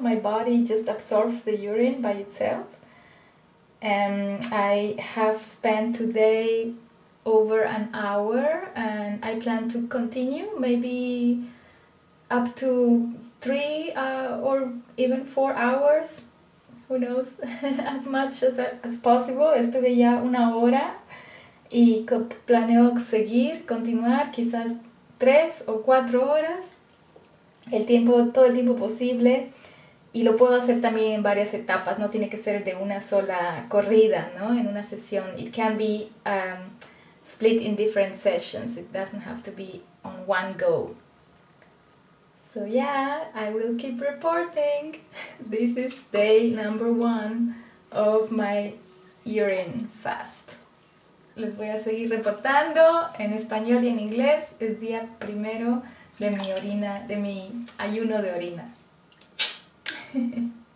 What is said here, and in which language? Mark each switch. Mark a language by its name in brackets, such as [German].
[English] My body just absorbs the urine by itself. And I have spent today over an hour, and I plan to continue maybe up to 3 or even 4 hours, who knows, as much as possible. [Spanish] Estuve ya una hora y planeo seguir, continuar quizás 3 o 4 horas, el tiempo, todo el tiempo posible. Y lo puedo hacer también en varias etapas, no tiene que ser de una sola corrida, ¿no? En una sesión. [English] It can be split in different sessions. It doesn't have to be on one go. So yeah, I will keep reporting. This is day number one of my urine fast. [Spanish] Les voy a seguir reportando en español y en inglés. Es día primero de mi ayuno de orina.